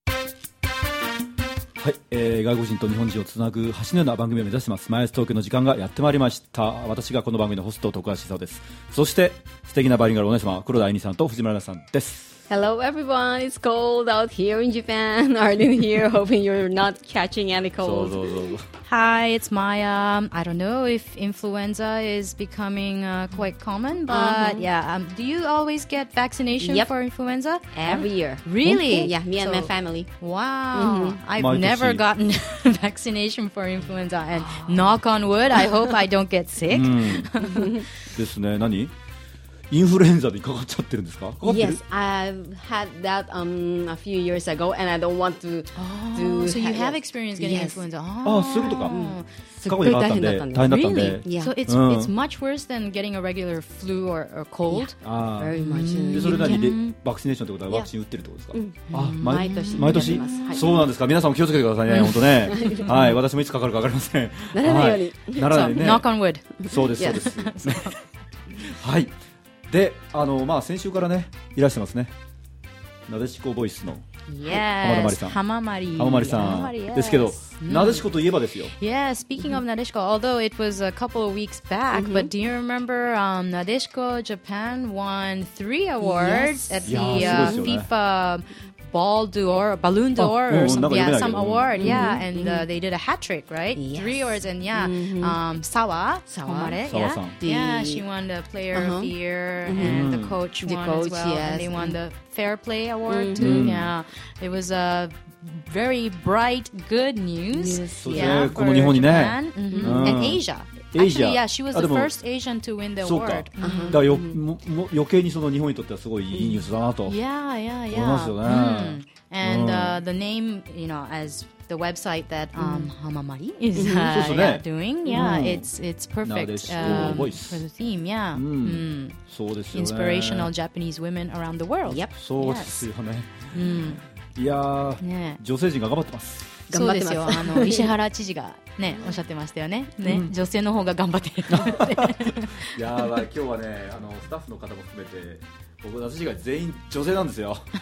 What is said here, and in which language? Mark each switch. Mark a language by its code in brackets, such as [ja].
[ja] はい、外国人と日本人をつなぐ橋のような番組を目指しますマイアストークの時間がやってまいりました。私がこの番組のホスト徳橋さんです。そして素敵なバイリンガルお姉さま黒田愛美さんと藤村さんです。 [en] Hello everyone, it's cold out here in Japan. Arden here, hoping you're not catching any cold. Hi, it's Maya. I don't know if influenza is becoming quite common, but do you always get vaccination for influenza? Every year. Really? Yeah, me and my family. Wow, I've never gotten vaccination for influenza, and knock on wood, I hope I don't get sick. [ja] ですね、何? インフルエンザにかかっちゃってるんですか? [en] Yes, I've had that a few years ago and I don't want to do... So you have experience getting influenza? [ja] ああ、そういうことか。過去にかかったんで、大変だったんで。 [en] Really? Yeah. So it's much worse than getting a regular flu or cold? Yeah, very much. [ja] で、それなりにバクシネーションってことはワクチン打ってるってことですか? あ、毎年やります。そうなんですか。皆さんも気をつけてくださいね、本当ね。はい、私もいつかかるかわかりません。ならないように。ならないね。 [en] Knock on wood. [ja] そうです、そうです。はい。で、先週からね、いらしてますね。なでしこボイスの浜まりさん。浜まりさんですけど、なでしこといえばですよ。 [en] Yeah, speaking of なでしこ、although it was a couple of weeks back, but do you remember なでしこ Japan won 3 awards at the FIFA Ball d'Or, Balloon d'Or or something. Yeah, some award. Yeah, and they did a hat trick, right? Yes. 3 awards and Sawa. Yeah, she won the Player of the Year and the coach won as well. Yes. And they won the Fair Play Award too. Yeah, it was a very bright good news. Yes. Yeah, for Japan and Asia. Asia. Actually, yeah, she was the first Asian to win the award. [ja] そうか。だからも余計にその日本にとってはすごいいいニュースだなと。 [en] Yeah. [ja] 思いますよね。 [en] And the name, you know, as the website that Hamamari is doing, yeah, it's perfect for the theme, yeah. [ja] そうですよね。 [en] Inspirational Japanese women around the world. Yep. [ja] そうですよね。いや、女性陣が頑張ってます。頑張ってますよ。石原知事が。ね、おっしゃってましたよね。ね、女性の方が頑張ってる。いやー、今日はね、スタッフの方も含めて、僕たちが全員女性なんですよ。